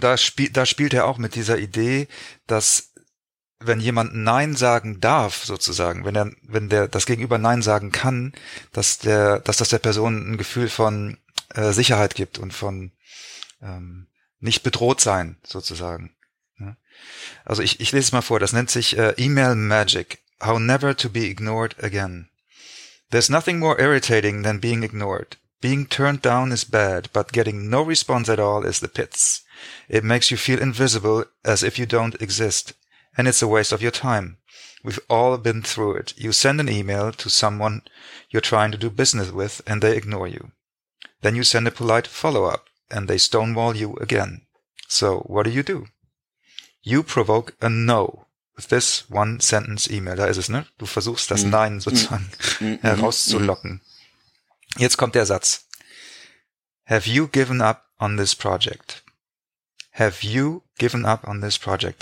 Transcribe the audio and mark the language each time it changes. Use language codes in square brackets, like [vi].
[de] Und da spielt er auch mit dieser Idee, dass wenn jemand Nein sagen darf, sozusagen, wenn der das Gegenüber Nein sagen kann, dass das der Person ein Gefühl von Sicherheit gibt und von nicht bedroht sein, sozusagen. Ja. Also ich lese es mal vor, das nennt sich Email Magic, How Never to Be Ignored Again. [en] There's nothing more irritating than being ignored. Being turned down is bad, but getting no response at all is the pits. It makes you feel invisible as if you don't exist. And it's a waste of your time. We've all been through it. You send an email to someone you're trying to do business with and they ignore you. Then you send a polite follow-up and they stonewall you again. So what do you do? You provoke a no with this one sentence email. [de] Da ist es, ne? Du versuchst das Nein sozusagen herauszulocken. Jetzt kommt der Satz. [en] Have you given up on this project? Have you given up on this project?